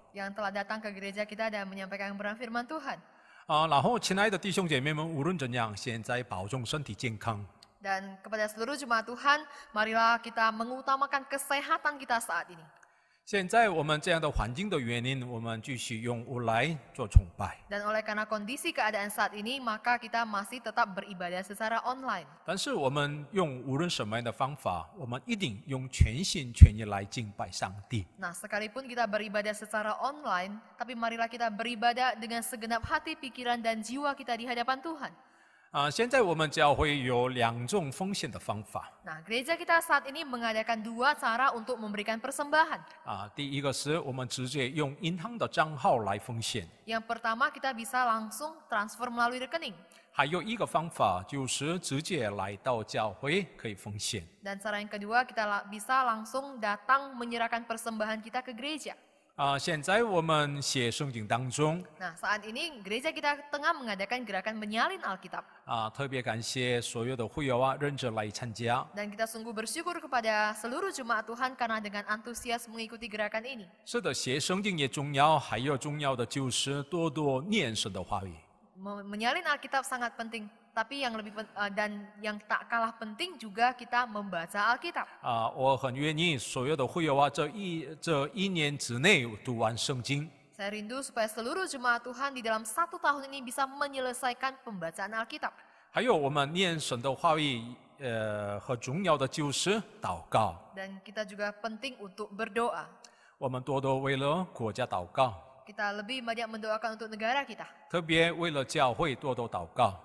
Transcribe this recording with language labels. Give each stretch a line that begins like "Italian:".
Indonesian: Yang telah datang ke gereja kita dan menyampaikan kebenaran firman Tuhan.
Chinese: 然后亲爱的弟兄姐妹们，无论怎样，现在保重身体健康。
Indonesian: Dan kepada seluruh jemaat Tuhan, marilah kita mengutamakan kesehatan kita saat ini.
Chinese: 现在我们这样的环境的原因，我们继续用乌来做崇拜。
Indonesian: Dan oleh karena kondisi keadaan saat ini, maka kita masih tetap beribadah secara online.
Chinese: 但是我们用无论什么样的方法，我们一定用全心全意来敬拜上帝。
Indonesian: Nah, sekalipun kita beribadah secara online, tapi marilah kita beribadah dengan segenap hati, pikiran, dan jiwa kita di hadapan Tuhan.
Chinese: 现在我们教会有两种奉献的方法。
Indonesian: Nah, gereja kita saat ini mengadakan dua cara untuk memberikan persembahan.
Chinese: 第一个是我们直接用银行的账号来奉献。
Indonesian: Yang pertama kita bisa langsung transfer melalui rekening.
Chinese: 还有一个方法就是直接来到教会可以奉献。
Indonesian: Dan cara yang kedua kita bisa langsung datang menyerahkan persembahan kita ke gereja.
Chinese: 现在我们写圣经当中。
Indonesian: Nah, saat ini gereja kita tengah mengadakan gerakan menyalin Alkitab.
Chinese: 特别感谢所有的会友认真来参加。
Indonesian: Dan kita sungguh bersyukur kepada seluruh jemaat Tuhan karena dengan antusias mengikuti gerakan ini.
Chinese: 是的，写圣经也重要，还有重要的就是多多念神的话语。
Indonesian: Menyalin Alkitab sangat penting, tapi yang lebih dan yang tak kalah penting juga kita membaca Alkitab.
Chinese: 我很愿意所有的会友这一年之内读完圣经。
Indonesian: Saya rindu supaya seluruh jemaat Tuhan di dalam satu tahun ini bisa menyelesaikan pembacaan Alkitab.
Chinese: 还有我们念神的话语，很重要的就是祷告。
Indonesian: Dan kita juga penting untuk berdoa.
Chinese: 我们多多为了国家祷告。
Indonesian: Kita lebih banyak mendoakan untuk negara kita.
Chinese: 特别为了教会多多祷告。